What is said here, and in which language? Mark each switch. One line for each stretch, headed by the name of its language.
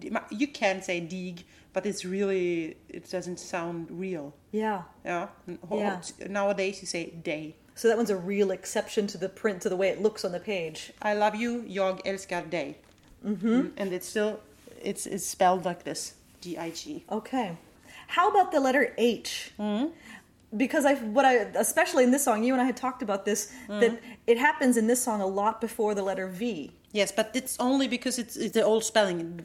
English: You can say dig, but it's really, it doesn't sound real. Yeah. Yeah. Nowadays you say day. So that one's a real exception to the print, to the way it looks on the page. I love you,
Swedish: jag älskar dig. Mm-hmm.
English: And it's still, it's spelled like this, D-I-G. Okay. How about the letter H? Mm-hmm. Because I especially in this song, you and I had talked about this, that it happens in this song a lot before the letter V. Yes, but it's only because it's the old spelling.